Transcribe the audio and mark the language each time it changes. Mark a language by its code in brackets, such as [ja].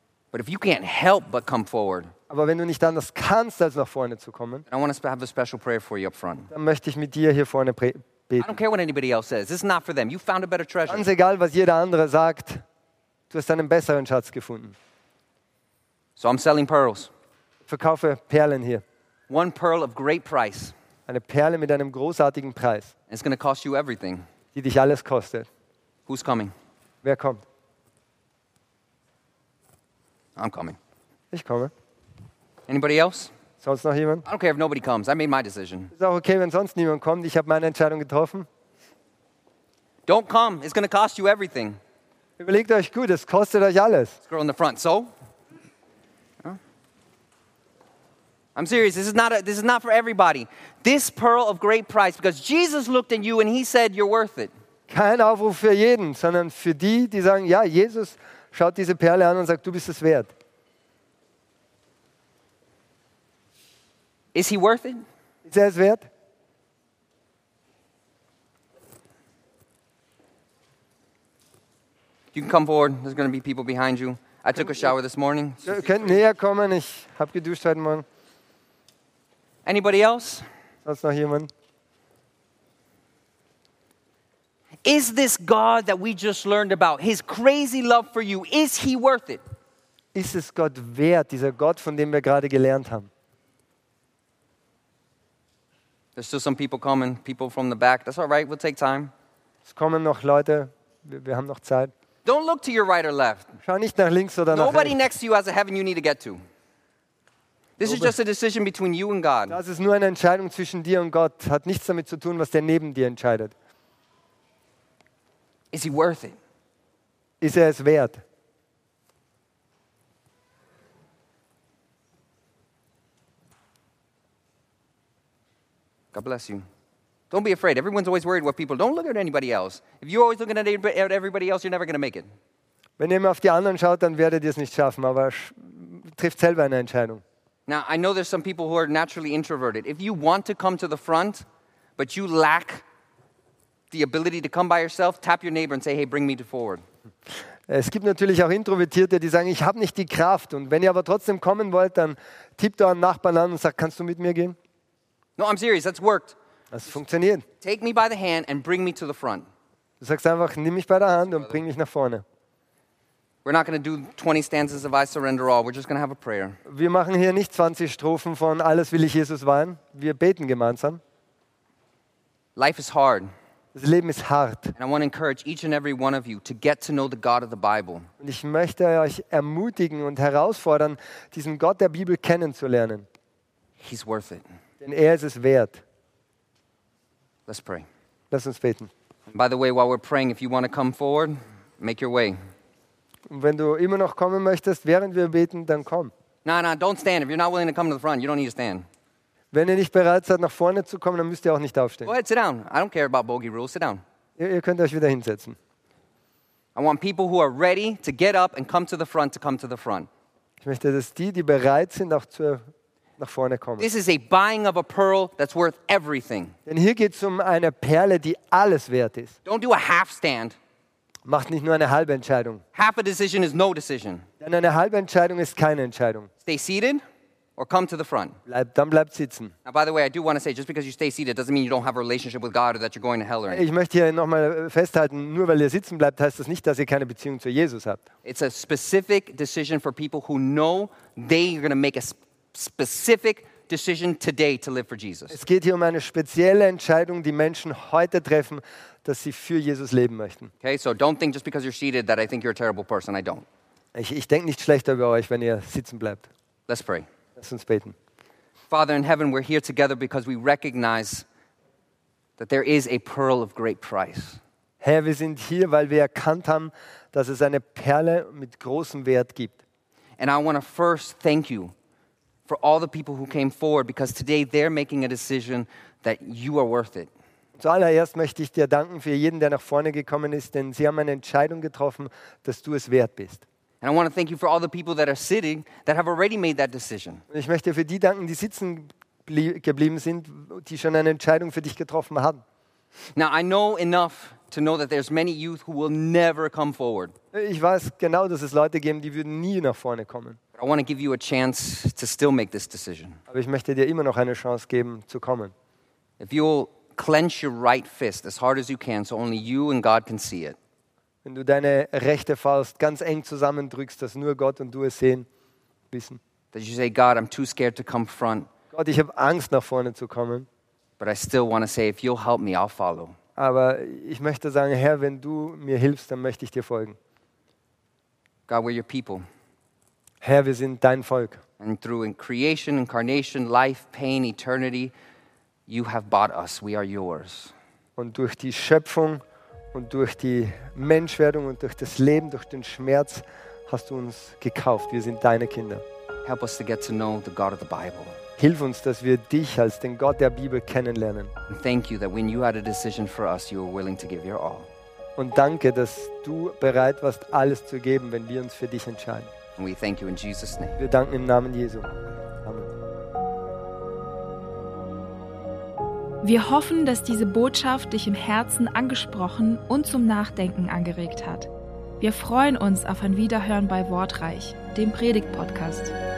[en] But if you can't help but come forward, [de] aber wenn du nicht anders kannst, als nach vorne zu kommen, [en] I want to have a special prayer for you up front. [de] Dann möchte ich mit dir hier vorne beten. [en] I don't care what anybody else says. This is not for them. You found a better treasure. [de] Ganz egal, was jeder andere sagt, du hast einen besseren Schatz gefunden. [en] So I'm selling pearls. [de] Ich verkaufe Perlen hier. [en] One pearl of great price. [de] Eine Perle mit einem großartigen Preis. [en] It's going to cost you everything. [de] Die dich alles kostet. [en] Who's coming? [de] Wer kommt? [en] I'm coming. [de] Ich komme. [en] Anybody else? [de] Sonst noch jemand? [en] I don't care if nobody comes. I made my decision. [de] Ist auch okay, wenn sonst niemand kommt. Ich habe meine Entscheidung getroffen. [en] Don't come. It's going to cost you everything. [de] Überlegt euch gut. Es kostet euch alles. [en] This girl in the front. So? I'm serious. This is not for everybody. This pearl of great price, because Jesus looked at you and he said, you're worth it. [de] Kein Aufruf für jeden, sondern für die, die sagen, ja, Jesus schaut diese Perle an und sagt, du bist es wert. [en] Is he worth it? [de] Ist er es wert? [en] You can come forward. There's going to be people behind you. I took a shower this morning. [de] Ihr könnt näher kommen. Ich habe geduscht heute Morgen. [en] Anybody else? [de] Sonst noch jemand? [en] Is this God that we just learned about, his crazy love for you, is he worth it? [de] Ist es Gott wert, dieser Gott, von dem wir gerade gelernt haben? [en] There's still some people coming, people from the back. That's all right, we'll take time. [de] Es kommen noch Leute, wir haben noch Zeit. [en] Don't look to your right or left. [de] Schau nicht nach links oder nach rechts. [en] Nobody next to you has a heaven you need to get to. This is just a decision between you and God. [de] Das ist nur eine Entscheidung zwischen dir und Gott. Hat nichts damit zu tun, was der neben dir entscheidet. [en] Is he worth it? [de] Ist er es wert? [en] God bless you. Don't be afraid. Everyone's always worried about people. Don't look at anybody else. If you're always looking at everybody else, you're never going to make it. [de] Wenn ihr immer auf die anderen schaut, dann werdet ihr es nicht schaffen. Aber trifft selber eine Entscheidung. [en] Now, I know there's some people who are naturally introverted. If you want to come to the front, but you lack the ability to come by yourself, tap your neighbor and say, hey, bring me to forward. [de] Es gibt natürlich auch Introvertierte, die sagen, ich habe nicht die Kraft. Und wenn ihr aber trotzdem kommen wollt, dann tippt euren Nachbarn an und sagt, kannst du mit mir gehen? [en] No, I'm serious. That's worked. [de] Das funktioniert. [en] Take me by the hand and bring me to the front. [de] Du sagst einfach, nimm mich bei der Hand und bring mich nach vorne. [en] We're not going to do 20 stanzas of I surrender all. We're just going to have a prayer. [de] Wir machen hier nicht 20 Strophen von Alles will ich Jesus weihen. Wir beten gemeinsam. [en] Life is hard. [de] Das Leben ist hart. [en] And I want to encourage each and every one of you to get to know the God of the Bible. [de] Und ich möchte euch ermutigen und herausfordern, diesen Gott der Bibel kennenzulernen. [en] He's worth it. [de] Denn er ist es wert. [en] Let's pray. [de] Lass uns beten. [en] By the way, while we're praying, if you want to come forward, make your way. [de] Wenn du immer noch kommen möchtest, während wir beten, dann komm. [en] No, don't stand. If you're not willing to come to the front, you don't need to stand. [de] Wenn ihr nicht bereit seid, nach vorne zu kommen, dann müsst ihr auch nicht aufstehen. [en] Go ahead, sit down. I don't care about bogey rules. Sit down. [de] Ihr könnt euch wieder hinsetzen. [en] I want people who are ready to get up and come to the front to come to the front. [de] Ich möchte, dass die bereit sind, auch zu nach vorne kommen. [en] This is a buying of a pearl that's worth everything. [de] Denn hier geht's eine Perle, die alles wert ist. [en] Don't do a half stand. [de] Macht nicht nur eine halbe Entscheidung. [en] Half a decision is no decision. [de] Denn eine halbe Entscheidung ist keine Entscheidung. [en] Stay seated or come to the front. [de] Bleibt sitzen. [en] Now, by the way, I do want to say, just because you stay seated doesn't mean you don't have a relationship with God or that you're going to hell or anything. [de] Ich möchte hier nochmal festhalten, nur weil ihr sitzen bleibt, heißt das nicht, dass ihr keine Beziehung zu Jesus habt. [en] It's a specific decision for people who know they are going to make a specific decision today to live for Jesus. [de] Es geht hier eine spezielle Entscheidung, die Menschen heute treffen, dass sie für Jesus leben möchten. [en] Okay, so don't think just because you're seated that I think you're a terrible person. I don't. [de] Ich denke nicht schlecht über euch, wenn ihr sitzen bleibt. [en] Let's pray. [de] Lass uns beten. [en] Father in heaven, we're here together because we recognize that there is a pearl of great price. [de] Herr, wir sind hier, weil wir erkannt haben, dass es eine Perle mit großem Wert gibt. [en] And I want to first thank you for all the people who came forward, because today they're making a decision that you are worth it. [de] Zuallererst möchte ich dir danken für jeden, der nach vorne gekommen ist, denn sie haben eine Entscheidung getroffen, dass du es wert bist. [en] And I want to thank you for all the people that are sitting that have already made that decision. [de] Ich möchte für die danken, die sitzen geblieben sind, die schon eine Entscheidung für dich getroffen haben. [en] Now I know enough to know that there's many youth who will never come forward. [de] Ich weiß genau, dass es Leute geben, die würden nie nach vorne kommen. [en] I want to give you a chance to still make this decision. [de] Aber ich möchte dir immer noch eine Chance geben zu kommen. [en] If you'll clench your right fist as hard as you can, so only you and God can see it. [de] Wenn du deine rechte Faust ganz eng zusammendrückst, dass nur Gott und du es sehen, wissen. [en] That you say, God, I'm too scared to come front. [de] Gott, ich habe Angst nach vorne zu kommen. [en] But I still want to say, if you'll help me, I'll follow. [de] Aber ich möchte sagen, Herr, wenn du mir hilfst, dann möchte ich dir folgen. [en] God, we're your people. [de] Herr, wir sind dein Volk. [en] And through creation, incarnation, life, pain, eternity, you have bought us. We are yours. [de] Und durch die Schöpfung und durch die Menschwerdung und durch das Leben, durch den Schmerz, hast du uns gekauft. Wir sind deine Kinder. [en] Help us to get to know the God of the Bible. [de] Hilf uns, dass wir dich als den Gott der Bibel kennenlernen. [en] And thank you that when you had a decision for us, you were willing to give your all. [de] Und danke, dass du bereit warst, alles zu geben, wenn wir uns für dich entscheiden. [en] And we thank you in Jesus' name. [de] Wir danken im Namen Jesu. Amen. Wir hoffen, dass diese Botschaft dich im Herzen angesprochen und zum Nachdenken angeregt hat. Wir freuen uns auf ein Wiederhören bei Wortreich, dem Predigt-Podcast.